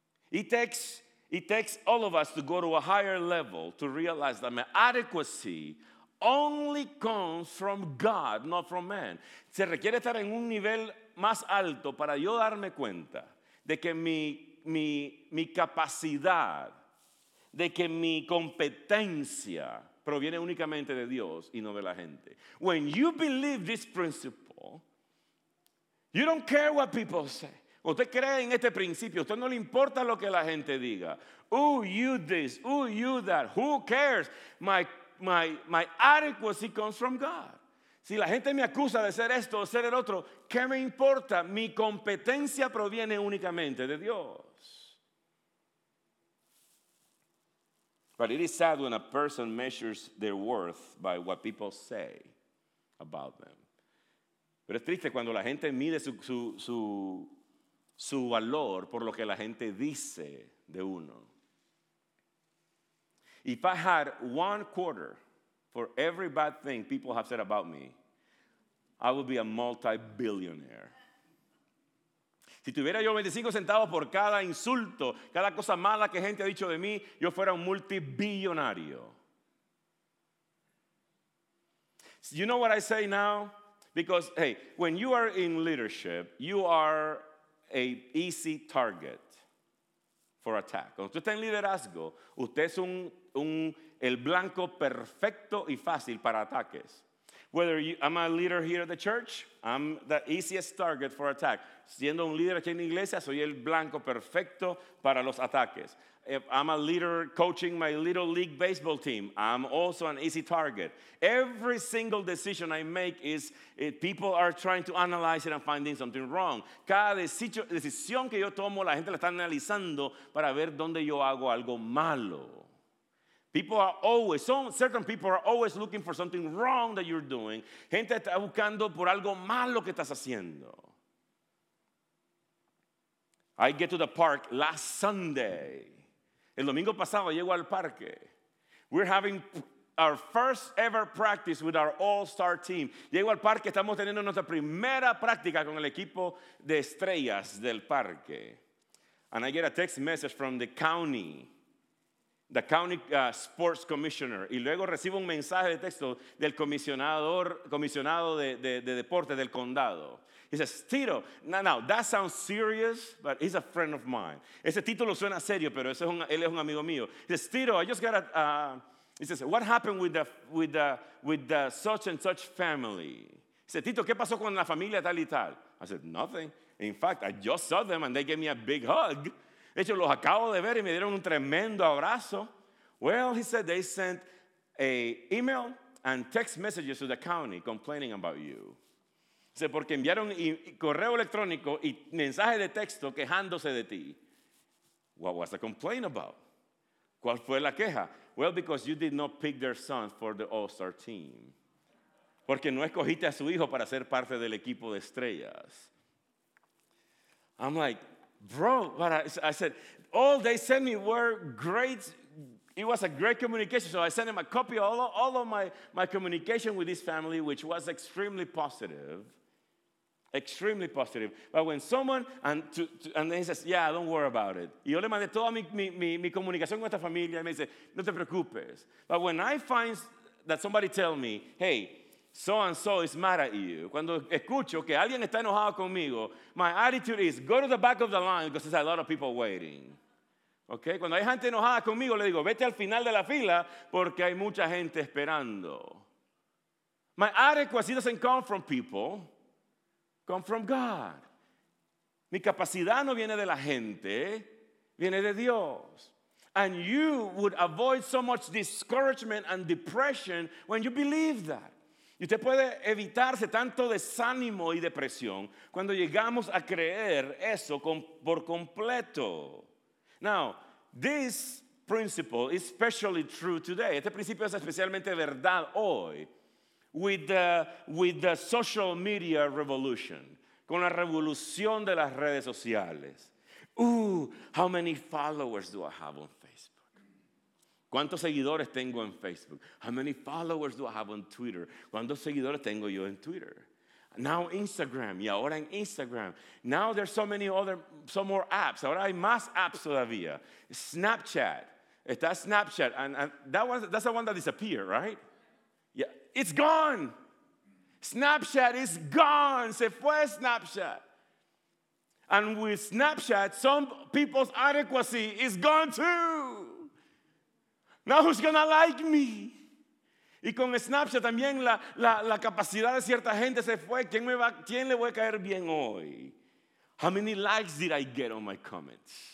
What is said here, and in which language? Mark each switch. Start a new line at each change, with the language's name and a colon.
English: It takes all of us to go to a higher level to realize that my adequacy only comes from God, not from man.
Spanish: Se requiere estar en un nivel más alto para yo darme cuenta de que mi capacidad, de que mi competencia proviene únicamente de Dios y no de la gente.
English: When you believe this principle, you don't care what people say.
Spanish: Usted cree en este principio, usted no le importa lo que la gente diga.
English: Ooh, you this, ooh, you that, who cares? My adequacy comes from God.
Spanish: Si la gente me acusa de ser esto o ser el otro, ¿qué me importa? Mi competencia proviene únicamente de Dios.
English: But it is sad when a person measures their worth by what people say about them.
Spanish: Pero es triste cuando la gente mide su valor por lo que la gente dice de uno.
English: If I had one quarter for every bad thing people have said about me, I would be a multi-billionaire.
Spanish: Si tuviera yo 25 centavos por cada insulto, cada cosa mala que gente ha dicho de mí, yo fuera un multibillonario.
English: You know what I say now? Because, hey, when you are in leadership, you are an easy target for attack.
Spanish: Cuando usted está en liderazgo, usted es el blanco perfecto y fácil para ataques.
English: Whether I'm a leader here at the church, I'm the easiest target for attack.
Spanish: Siendo un líder aquí en la iglesia, soy el blanco perfecto para los ataques.
English: If I'm a leader coaching my little league baseball team, I'm also an easy target. Every single decision I make is, people are trying to analyze it and finding something wrong.
Spanish: Cada decisión que yo tomo, la gente la está analizando para ver dónde yo hago algo malo.
English: Certain people are always looking for something wrong that you're doing.
Spanish: Gente está buscando por algo malo que estás haciendo.
English: I get to the park last Sunday.
Spanish: El domingo pasado llego al parque.
English: We're having our first ever practice with our all-star team.
Spanish: Llego al parque, estamos teniendo nuestra primera práctica con el equipo de estrellas del parque.
English: And I get a text message from the county sports commissioner.
Spanish: Y luego recibo un mensaje de texto del comisionado de deportes del condado.
English: He says, Tito, now that sounds serious, but he's a friend of mine.
Spanish: Ese título suena serio, pero él es un amigo mío.
English: He says, Tito, I just got he says, what happened with the such and such family? He says,
Spanish: Tito, ¿qué pasó con la familia tal y tal?
English: I said, nothing. In fact, I just saw them and they gave me a big hug.
Spanish: De hecho, los acabo de ver y me dieron un tremendo abrazo.
English: Well, he said, they sent a email and text messages to the county complaining about you.
Spanish: Dice, porque enviaron correo electrónico y mensaje de texto quejándose de ti.
English: What was the complaint about?
Spanish: ¿Cuál fue la queja?
English: Well, because you did not pick their son for the All-Star team.
Spanish: Porque no escogiste a su hijo para ser parte del equipo de estrellas.
English: I'm like, bro, but I said, all they sent me were great, it was a great communication. So I sent him a copy of all of my communication with his family, which was extremely positive. Extremely positive. But when someone, and then he says, yeah, don't worry about it.
Spanish: Y yo le mandé toda mi comunicación con esta familia. Y me dice, no te preocupes.
English: But when I find that somebody tell me, hey, so-and-so is mad at you.
Spanish: Cuando escucho que alguien está enojado conmigo,
English: my attitude is, go to the back of the line because there's a lot of people waiting. Okay?
Spanish: Cuando hay gente enojada conmigo, le digo, vete al final de la fila porque hay mucha gente esperando.
English: My adequacy doesn't come from people. Come from God.
Spanish: Mi capacidad no viene de la gente, viene de Dios.
English: And you would avoid so much discouragement and depression when you believe that.
Spanish: Y usted puede evitarse tanto desánimo y depresión cuando llegamos a creer eso por completo.
English: Now, this principle is especially true today.
Spanish: Este principio es especialmente verdad hoy.
English: With the social media revolution,
Spanish: con la revolución de las redes sociales.
English: Ooh, how many followers do I have on Facebook?
Spanish: ¿Cuántos seguidores tengo en Facebook?
English: How many followers do I have on Twitter?
Spanish: ¿Cuántos seguidores tengo yo en Twitter?
English: Now Instagram,
Spanish: y ahora en Instagram.
English: Now there's so many other, some more apps.
Spanish: Ahora hay más apps todavía. Snapchat, está Snapchat.
English: And that one, that's the one that disappeared, right? It's gone. Snapchat is gone.
Spanish: Se fue Snapchat.
English: And with Snapchat, some people's adequacy is gone too. Now who's gonna like me?
Spanish: Y con Snapchat también la capacidad de cierta gente se fue. ¿Quién le voy a caer bien hoy?
English: How many likes did I get on my comments?